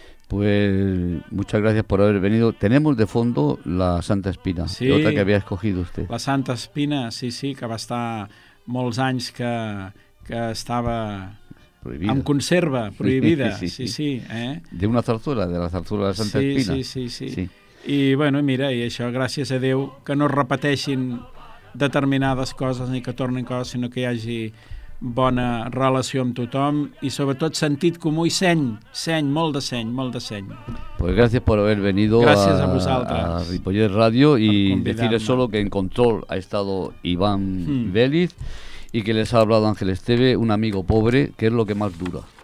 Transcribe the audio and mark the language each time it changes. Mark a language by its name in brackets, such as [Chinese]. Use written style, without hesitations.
[Spanish] Pues muchas gracias por haber venido. Tenemos de fondo la Santa Espina, sí, otra que había escogido usted. [Catalan] La Santa Espina, sí, sí, que va estar molts anys que estava prohibida. [Spanish] En conserva, prohibida, sí, sí, sí, sí, De una zarzuela, de la zarzuela de Santa, sí, Espina. Sí, sí, sí, sí. [Catalan] I bueno, mira, i això, gràcies a Déu, que no es repeteixin determinades coses ni que tornin coses, sinó que hi hagi bona relació amb tothom i sobretot sentit comú i seny, molt de seny, molt de seny. [Spanish] Pues gracias por haber venido a Ripollet Radio y decirle solo que en control ha estado Iván Vélez y que les ha hablado Ángel Esteve, un amigo pobre, que es lo que más dura.